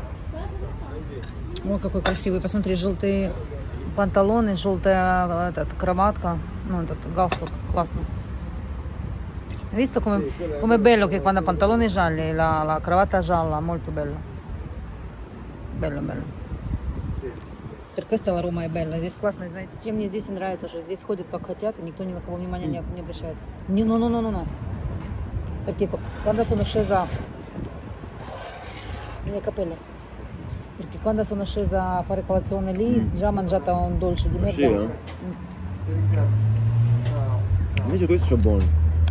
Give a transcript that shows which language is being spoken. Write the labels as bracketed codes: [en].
[it] Grazie. [ru] Ой, какой красивый. Посмотри, желтые панталоны, желтая этот, кроватка. Ну, этот галстук. Классно. [it] Visto come bello che quando ha pantalone gialli e la cravatta gialla, molto bello. Bello, bello. Per questo la Roma è bella. [ru] Здесь классно, знаете, чем мне здесь нравится, что здесь ходят как хотят, и никто ни на кого внимания не обращает. Не, ну, ну, ну, ну, ну. [it] Perché quando sono scesa nella cappella. Perché quando sono scesa a fare colazione lì, già mangiata un dolce di merda. Sì, no? Invece questo è buono.